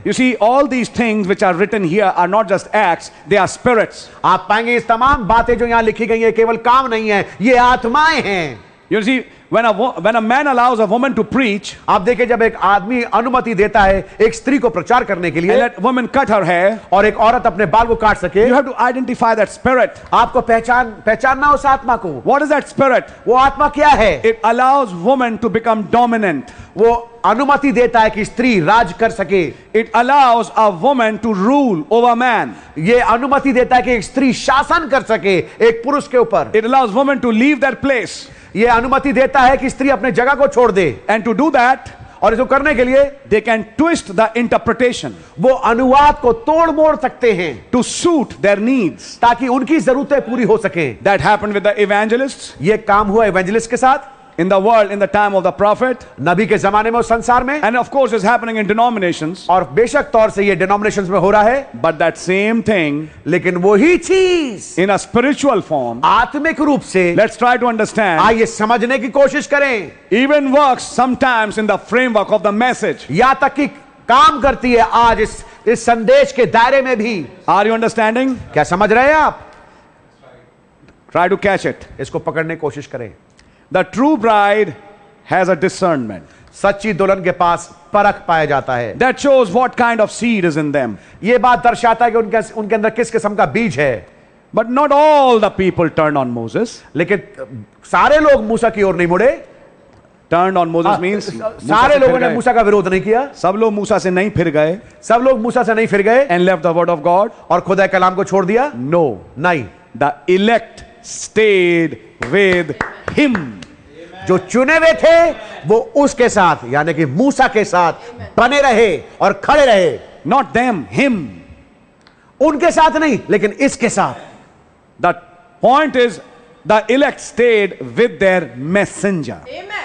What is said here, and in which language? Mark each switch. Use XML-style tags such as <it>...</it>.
<en>You see, all these things which are written here are not just acts, they are spirits.</en> <hi>आप पाएंगे इस तमाम बातें जो यहां लिखी गई हैं केवल काम नहीं है, ये आत्माएं हैं.</hi> <en>You see, when a man allows a woman to preach,</en> <hi>आप देखें जब एक आदमी अनुमति देता है एक स्त्री को प्रचार करने के लिए,</hi> <en>and let woman cut her hair,</en> <hi>और एक औरत अपने बाल को काट सके,</hi> <en>you have to identify that spirit.</en> <hi>आपको पहचानना उस आत्मा को.</hi> <en>What is that spirit?</en> <hi>वो आत्मा क्या है?</hi> <en>It allows woman to become dominant.</en> <hi>वो अनुमति देता है कि स्त्री राज कर सके.</hi> <en>It allows a woman to rule over man.</en> <hi>ये अनुमति देता है कि एक स्त्री शासन कर सके एक पुरुष के ऊपर.</hi> <en>It allows woman to leave that place.</en> <hi>ये अनुमति देता है कि स्त्री अपने जगह को छोड़ दे.</hi> <en>and to do that,</en> <hi>और इसको करने के लिए,</hi> <en>They can twist the interpretation.</en> <hi>वो अनुवाद को तोड़ मोड़ सकते हैं</hi> <en>to suit their needs,</en> <hi>ताकि उनकी जरूरतें पूरी हो सके.</hi> <en>That happened with the evangelist.</en> <hi>ये काम हुआ इवेंजेलिस्ट के साथ.</hi> <en>In the world, in the time of the prophet,</en> <hi>नबी के जमाने में, उस संसार में,</hi> <en>and of course is happening in denominations,</en> <hi>और बेशक तौर से ये denominations में हो रहा है,</hi> <en>but that same thing,</en> <hi>लेकिन वो ही चीज़,</hi> <en>in a spiritual form,</en> <hi>आत्मिक रूप से,</hi> <en>let's try to understand,</en> <hi>आइए समझने की कोशिश करें,</hi> <en>even works sometimes in the framework of the message,</en> <hi>या तक कि काम करती है आज इस संदेश के दायरे में भी.</hi> <en>Are you understanding?</en> <hi>क्या समझ रहे हैं आप?</hi> <en>Try to catch it.</en> <hi>इसको पकड़ने की कोशिश करें.</hi> <en>The true bride has a discernment.</en> <hi>सच्ची दुल्हन के पास परख पाया जाता है.</hi> <en>That shows what kind of seed is in them.</en> <hi>ये बात दर्शाता है कि उनके अंदर किस किस्म का बीज है.</hi> <en>But not all the people turned on Moses.</en> <hi>लेकिन सारे लोग मूसा की ओर नहीं मुड़े.</hi> <en>Turned on Moses means</en> <hi>सारे लोगों ने मूसा का विरोध नहीं किया. सब लोग मूसा से नहीं फिर गए. सब लोग मूसा से नहीं फिर गए.</hi> <en>And left the word of God.</en> <hi>और खुदा के कलाम को छोड़ दिया.</hi> <en>No,</en> <hi>नहीं.</hi> <en>The elect stayed with him.</en> <hi>जो चुने हुए थे वो उसके साथ, यानी कि मूसा के साथ बने रहे और खड़े रहे.</hi> <en>Not them, him.</en> <hi>उनके साथ नहीं लेकिन इसके साथ.</hi> <en>The point is the elect stayed with their messenger.</en>